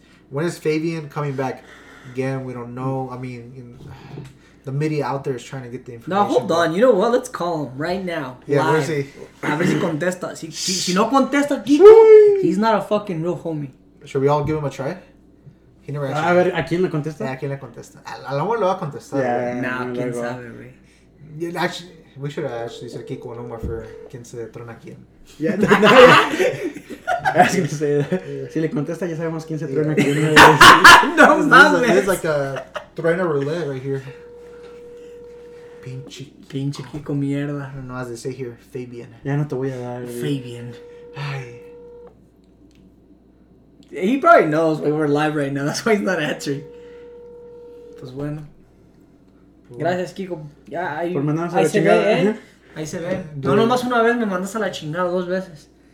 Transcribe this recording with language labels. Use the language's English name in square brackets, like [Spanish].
[English] When is Fabian coming back? Again, we don't know. I mean, the media out there is trying to get the information. No, hold on. You know what? Let's call him right now. Yeah, live. Where is he? [Spanish] A ver si contesta. Si no contesta, Kiko, [English] he's not a fucking real homie. Should we all give him a try? He never actually. [Spanish] A ver, ¿a quién le contesta? Yeah, ¿a quién le contesta? A lo mejor lo va a contestar. Yeah, nah, quién sabe, [English] güey. Actually, we should have actually said Kiko and Omar for [Spanish] quien se trona quien. [English] Yeah. I was going to say that. [Spanish] Si le contesta, ya sabemos quien se trona quien. [English] No, it's like a trueno roulette right here. Pinche [Spanish] Kiko mierda. [English] I don't know, as they say here, Fabian. [Spanish] Ya no te voy a dar. Fabian. [English] Ay. He probably knows we were live right now. That's why he's not answering. [Spanish] Pues bueno. Gracias, Kiko. Ya, ahí, por mandarnos a la chingada. Ahí se ve. No, nomás una vez me mandas a la chingada dos veces.